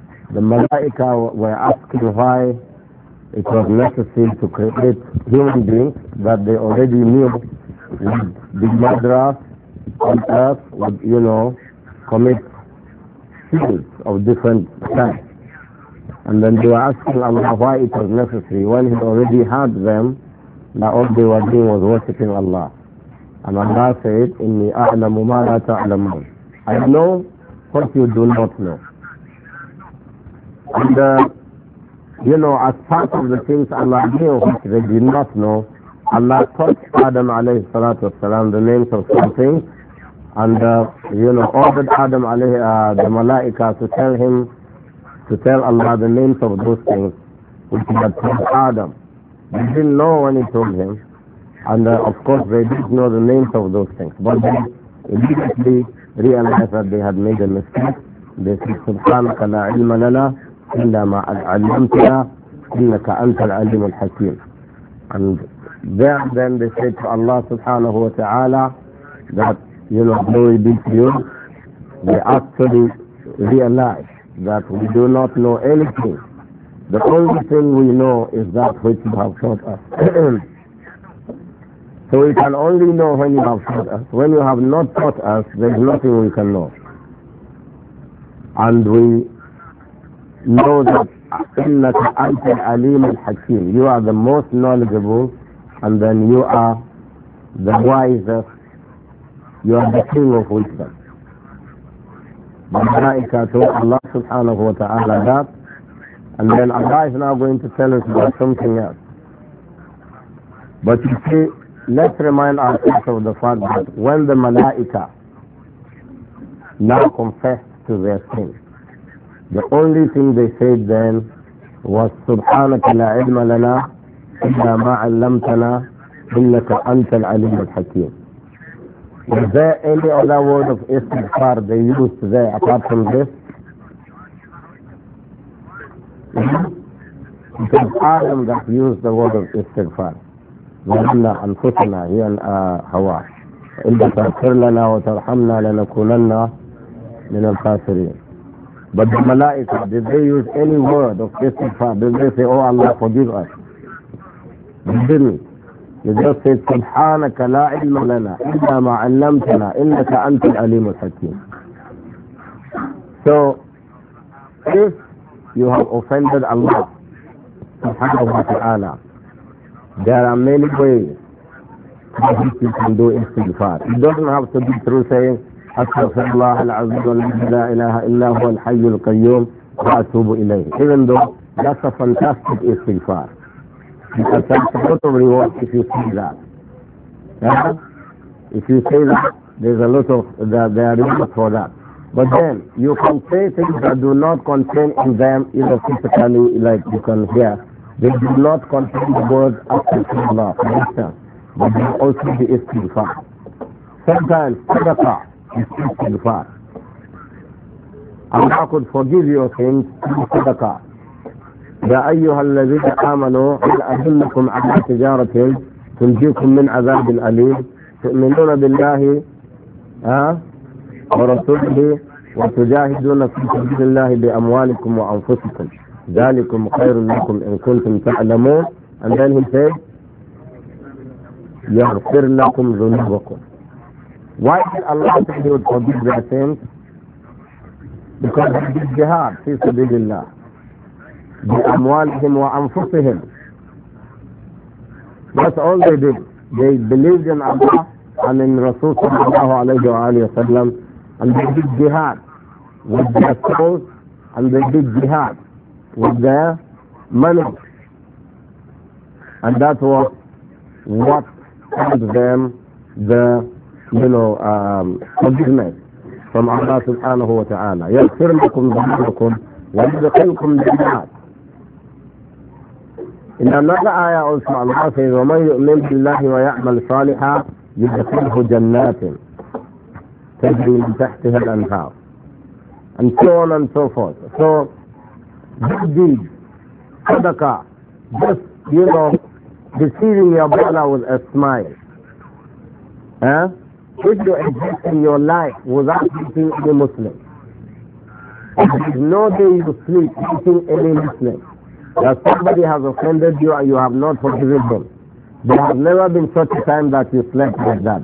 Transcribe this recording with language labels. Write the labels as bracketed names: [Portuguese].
[English] The malaika were asking why it was necessary to create human beings that they already knew would be murderers on earth, would, you know, commit sins of different kinds. And then they were asking Allah why it was necessary when he already had them, that all they were doing was worshipping Allah. And Allah said, [Arabic] إِنِّي أَعْلَمُ مَا لَا تَعْلَمُونَ. [English] I know what you do not know. And, you know, as part of the things Allah knew which they did not know, Allah taught Adam alayhi salatu wasalam the names of some things, and, you know, ordered Adam alayhi, the malaika, to tell Allah the names of those things which he had told Adam. He didn't know when he told him. And of course they did know the names of those things, but they immediately realized that they had made a mistake. They said, [Arabic] سُبْحَانَكَ لَا عِلْمَ لَنَا إِلَّا مَا عَلَّمْتَنَا إِنَّكَ أَنْتَ الْعَلِيمُ الْحَكِيمُ. [English] And then they said to Allah subhanahu wa ta'ala that, you know, glory be to you. They actually realized that we do not know anything. The only thing we know is that which you have taught us. So we can only know when you have taught us. When you have not taught us, there is nothing we can know. And we know that [Arabic] إِنَّكَ أَنْتَ الْعَلِيمُ الْحَكِيمُ. [English] You are the most knowledgeable, and then you are the wisest. You are the king of wisdom. [Arabic] بَمَلَائِكَ تُوَى اللَّهُ سُبْحَانَهُ وَتَعَالَى that. [English] And then Allah is now going to tell us about something else. But you see, let's remind ourselves of the fact that when the Malaika now confessed to their sin, the only thing they said then was [Arabic] سُبْحَانَكَ لَا عِلْمَ لَنَا إِلَّا مَا عَلَّمْتَنَا إِنَّكَ أَنْتَ الْعَلِيمُ الْحَكِيمُ. [English] Is there any other word of istighfar they used there apart from this? It is Adam that used the word of istighfar. [Arabic] وَلَنَّا أَنْفُسَنَا هِيَا هَوَى إِلَّا تَغْفِرْ لَنَا وَتَرْحَمْنَا لَنَكُونَنَّا مِنَ الْخَاسِرِينَ. [English] But the Malaika, did they use any word of istighfar? Did they say, oh Allah, forgive us? They didn't. They just said, [Arabic] سُبْحَانَكَ لَا عِلْمَ لَنَا إِلَّا مَا عَلَّمْتَنَا إِنَّكَ أَنْتَ الْعَلِيمُ الْحَكِيمُ. [English] So, if you have offended Allah subhanahu wa ta'ala, there are many ways by which you can do istighfar. You don't have to be through saying, [Arabic] أَسْتَغْفِرُ اللَّهَ الْعَزِيزُ الَّذِي لَا إِلَهَ إِلَّا هُوَ الْحَيُّ الْقَيُّومُ وَأَتُوبُ إِلَيْهِ. [English] Even though that's a fantastic istighfar, because that's a lot of reward if you say that. Yeah? If you say that, there's a lot of there are reward for that. But then you can say things that do not contain in them, either physically, like you can hear, they do not contain the word astaghfirullah, for instance, but they also be istighfar. Sometimes sadaqah is istighfar. Allah could forgive your sins through sadaqah. [Arabic] يَا أَيُّهَا الَّذِينَ آمَنُوا إِنْ أَدُلَّكُمْ عَلَىٰ تِجَارَةٍ تُنْجِيكُمْ مِنْ عَذَابِ الْأَلِيمِ تُؤْمِنُونَ بِاللَّهِ وَرَسُولِهِ وَتُجَاهِدُونَ فِي سَبِيلِ اللَّهِ بِأَمْوَالِكُمْ وَأَنفُسِكُمْ ذلكم خير لكم إن كنتم تعلمون. [English] And then he said, [Arabic] يغفر لكم ذنوبكم. [English] Why did Allah say he would forgive their sins? Because he did jihad [Arabic] في سبيل الله بأموالهم وأنفسهم. [English] That's all they did. They believed in Allah and in Rasul [Arabic] صلى الله عليه وآله وسلم, [English] and they did jihad with their souls, and they did jihad with their money. And that was what earned them the, you know, forgiveness from Allah subhanahu wa ta'ala. [Arabic] يَغْفِرْ لَكُمْ ذُنُوبَكُمْ وَيُدْخِلْكُمْ جَنَّاتٍ. [English] In another ayah also Allah says, [Arabic] وَمَنْ يُؤْمِنْ بِاللَّهِ وَيَعْمَلْ صَالِحًا يُدْخِلْهُ جَنَّاتٍ تَجْرِي مِنْ تَحْتِهَا الْأَنْهَارُ. [English] And so on and so forth. So, good deed, sadaqah, just, you know, deceiving your brother with a smile. If you exist in your life without meeting any Muslim, there is no day you sleep meeting any Muslim, that somebody has offended you and you have not forgiven them, there has never been such a time that you slept like that.